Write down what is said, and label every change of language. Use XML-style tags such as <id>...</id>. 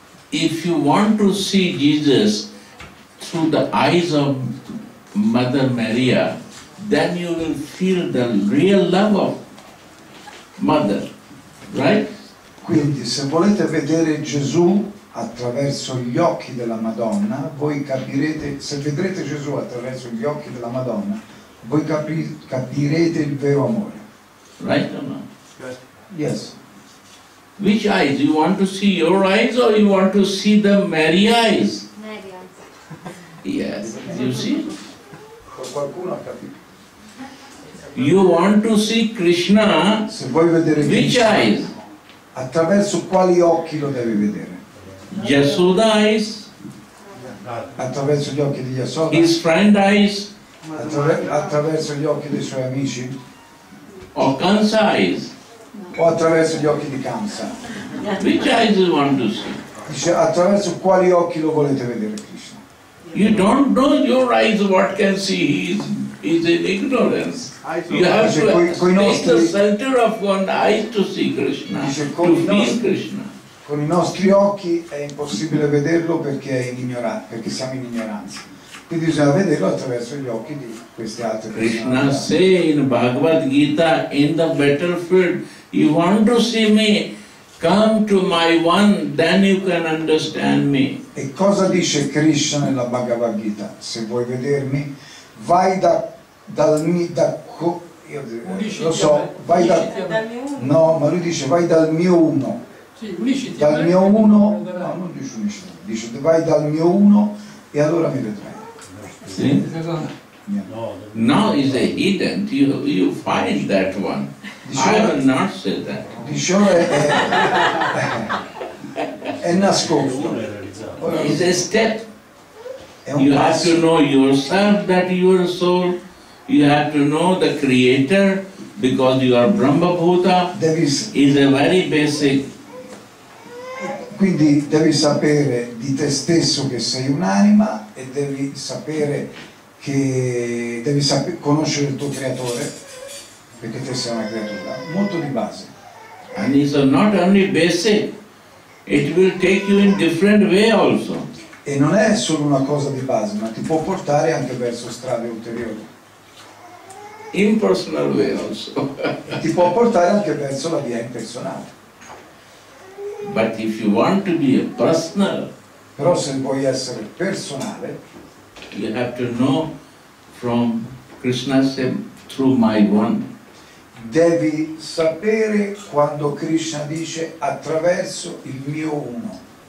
<en>If you want to see Jesus through the eyes of Mother Maria, then you will feel the real love of Mother, right?</en> <it>Quindi, se volete vedere Gesù attraverso gli occhi della Madonna, voi capirete, se vedrete Gesù attraverso gli occhi della Madonna, voi capirete il vero amore.</it> <en>Right or no? Yes. Which eyes? You want to see your eyes or you want to see the Mary eyes? Mary eyes. Yes, you see?</en> <it>Qualcuno ha capito.</it> <en>You want to see Krishna,</en> <it>se vuoi vedere</it> <en>which Krishna, eyes?</en> <it>Attraverso quali occhi lo devi vedere?</it> <en>Yasoda eyes.</en> <it>Attraverso gli occhi di Yasoda.</it> <en>His friend eyes.</en> <it>Attraverso gli occhi dei suoi amici.</it> <en>O Kansa eyes.</en> <it>O attraverso gli occhi di Kansa.</it> <en>Which eyes you want to see?</en> <it>Dice, attraverso quali occhi lo volete vedere Krishna?</it> <en>You don't know your eyes what can see. He's in ignorance. You have</en> <it>dice,</it> <en>to</en> <it>coi nostri,</it> <en>the center of one eye to see Krishna,</en> <it>dice,</it> <en>to feel Krishna.</en> <it>Con i nostri occhi è impossibile vederlo perché, è in ignoranza, perché siamo in ignoranza. Quindi bisogna vederlo attraverso gli occhi di queste altre persone.</it> <en>Krishna say in Bhagavad Gita, in the battlefield, you want to see me, come to my one, then you can understand me.</en> <it>E cosa dice Krishna nella Bhagavad Gita? Se vuoi vedermi, vai da vai dal mio uno. Dal mio uno. No, non dice unisciti. Dice vai dal mio uno e allora mi vedrai. Sì?</it> <en>Now is a hidden. You find that one.</en> <it>Dice,</it> <en>I will not say that.</en> <it>Dice ora è nascosto. Ora,</it> <en>is a step. You have to know yourself that you are soul. You have to know the creator because you are Brahma Bhuta. Is a very basic.</en> <it>Quindi devi sapere di te stesso che sei un'anima e devi sapere che devi conoscere il tuo creatore perché te sei una creatura. Molto di base.</it> <en>And it's not only basic. It will take you in different way also.</en> <it>E non è solo una cosa di base, ma ti può portare anche verso strade ulteriori.</it> <en>Impersonal way also.</en> <it>Ti può portare anche verso la via impersonale.</it> <en>But if you want to be a personal,</en> <it>però se vuoi essere personale,</it> <en>you have to know from Krishna say, through my one.</en> <it>Devi sapere quando Krishna dice attraverso il mio uno.</it>